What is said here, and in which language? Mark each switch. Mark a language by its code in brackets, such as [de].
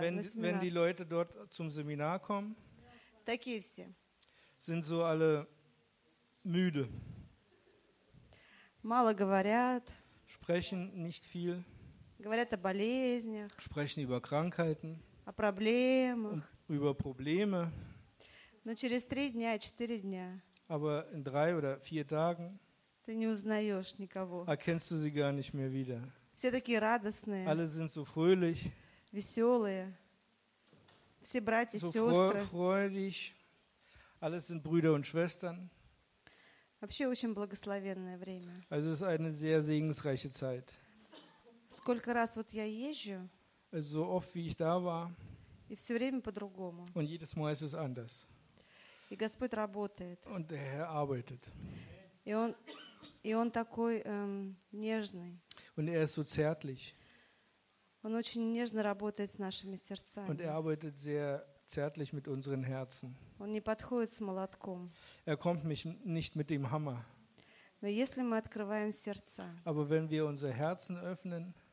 [de] wenn, [ru] на семинар. [de] Wenn die Leute dort zum Seminar kommen, [ru] такие все. [de] Sind so alle müde. [ru] Мало говорят. [de] Sprechen nicht viel. [ru] Говорят о болезнях. [de] Sprechen über Krankheiten. [ru] О проблемах. [de] Über Probleme. [ru] Но через три дня, четыре дня. [de] Aber in drei oder vier Tagen. [ru] Ты не узнаешь никого. [de] Erkennst du sie gar nicht mehr wieder. [ru] Все такие радостные. [de] Alle sind so fröhlich. [ru] Веселые. Все братья [de] so [ru] и сестры. [de] Freudig. Alle sind Brüder und Schwestern. [ru] Вообще очень благословенное время. [de] Also es ist eine sehr segensreiche Zeit. [ru] Сколько раз вот я езжу? [de] So oft wie ich da war. [ru] И все время по-другому. [de] Und jedes Mal ist es anders. [ru] И Господь работает. [de] Und der Herr arbeitet. [ru] И он такой нежный. [de] Und er ist so zärtlich. [ru] Он очень нежно работает с нашими сердцами. [de] Und er arbeitet sehr zärtlich mit unseren Herzen. [ru] Он не подходит с молотком. [de] Er kommt nicht mit dem Hammer. [ru] Но если мы открываем сердца, [de] aber wenn wir unsere Herzen öffnen,